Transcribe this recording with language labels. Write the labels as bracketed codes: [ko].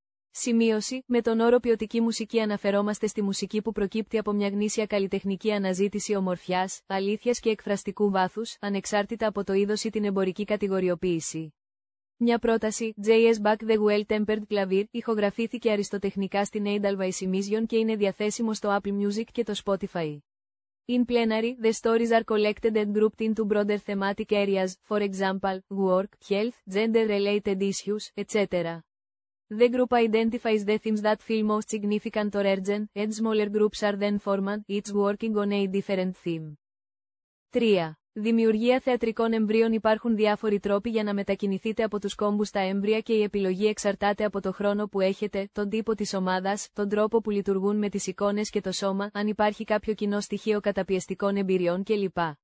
[el] Σημείωση, με τον όρο ποιοτική μουσική αναφερόμαστε στη μουσική που προκύπτει από μια γνήσια καλλιτεχνική αναζήτηση ομορφιάς, αλήθειας και εκφραστικού βάθους, ανεξάρτητα από το είδος ή την εμπορική κατηγοριοποίηση. Μια πρόταση, J.S. Bach The Well-Tempered Clavier, ηχογραφήθηκε αριστοτεχνικά στην Edelweiss Emission και είναι διαθέσιμο στο Apple Music και το Spotify. [en] In plenary, the stories are collected and grouped into broader thematic areas, for example, work, health, gender-related issues, etc. The group identifies the themes that feel most significant or urgent, and smaller groups are then formed, each working on a different theme. 3. [el] Δημιουργία θεατρικών εμβρίων. Υπάρχουν διάφοροι τρόποι για να μετακινηθείτε από τους κόμβους στα έμβρια και η επιλογή εξαρτάται από το χρόνο που έχετε, τον τύπο της ομάδας, τον τρόπο που λειτουργούν με τις εικόνες και το σώμα, αν υπάρχει κάποιο κοινό στοιχείο καταπιεστικών εμπειριών κλπ.